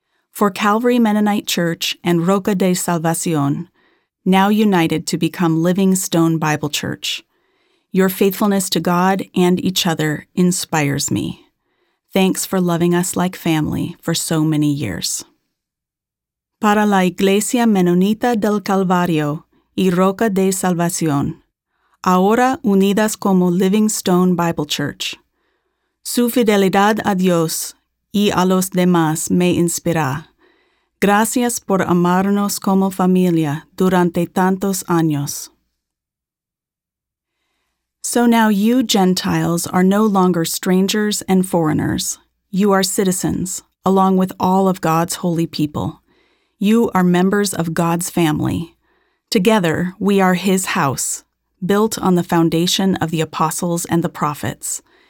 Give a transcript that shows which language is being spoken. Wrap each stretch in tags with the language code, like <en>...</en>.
<en>For Calvary Mennonite Church and Roca de Salvacion, now united to become Living Stone Bible Church, your faithfulness to God and each other inspires me. Thanks for loving us like family for so many years.</en> <es>Para la Iglesia Menonita del Calvario y Roca de Salvación, ahora unidas como Living Stone Bible Church, su fidelidad a Dios y a los demás me inspira. Gracias por amarnos como familia durante tantos años.</es> <en>So now you Gentiles are no longer strangers and foreigners. You are citizens, along with all of God's holy people. You are members of God's family. Together, we are His house, built on the foundation of the apostles and the prophets.</en>